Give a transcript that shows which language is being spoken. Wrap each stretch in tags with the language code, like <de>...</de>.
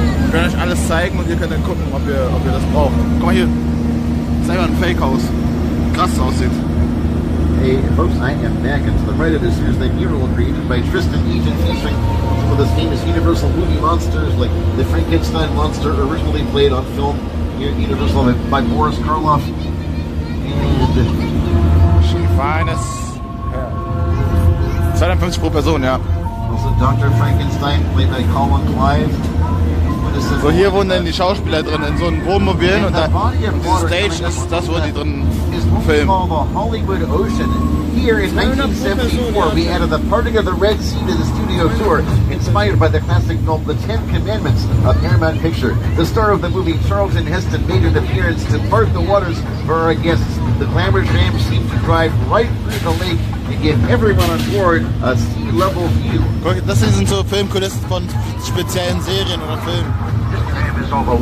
<de>Wir können euch alles zeigen und ihr könnt dann gucken, ob ihr das braucht. Guck mal hier. Das ist einfach ein Fake-Haus. Krass aussieht.</de> <en>Hey folks, I am back and to the right of this here is the mural created by Tristan Egan featuring some of the famous Universal movie monsters like the Frankenstein monster originally played on film here at Universal by Boris Karloff. And</en> <de>she finds 52 pro Person, ja.</de> <en>Also Dr. Frankenstein played by Colin Clive.</en> <de>So, hier wohnen dann die Schauspieler drin, in so einem Wohnmobil, und da die Stage ist das, wo die drin filmen.</de> <en>Here in 1974, we added the parting of the Red Sea to the studio tour, inspired by the classic film The Ten Commandments, a Paramount picture. The star of the movie, Charlton Heston, made an appearance to part the waters for our guests. The glamour tram seemed to drive right through the lake to give everyone on board a sea-level view.</en> <de>Guck, das sind so Filmkulissen von speziellen Serien oder Filmen.</de>